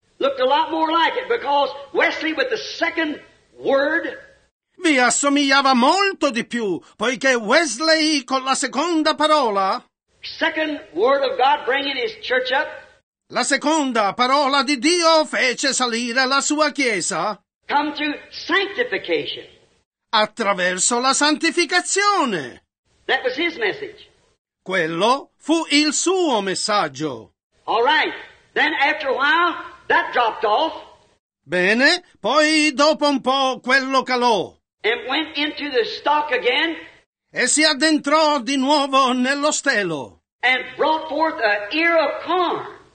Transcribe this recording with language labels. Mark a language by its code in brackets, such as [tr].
[en] Looked a lot more like it because Wesley with the second word. [it] Vi assomigliava molto di più poiché Wesley con la seconda parola. [en] Second word of God bringing his church up. [it] La seconda parola di Dio fece salire la sua chiesa. [en] Come to sanctification. [it] Attraverso la santificazione. [en] That was his message. [it] Quello fu il suo messaggio. [en] All right. Then after a while, that dropped off. [it] Bene, poi dopo un po' quello calò. [en] And went into the stalk again. [it] E si addentrò di nuovo nello stelo. [en] And brought forth an ear of corn.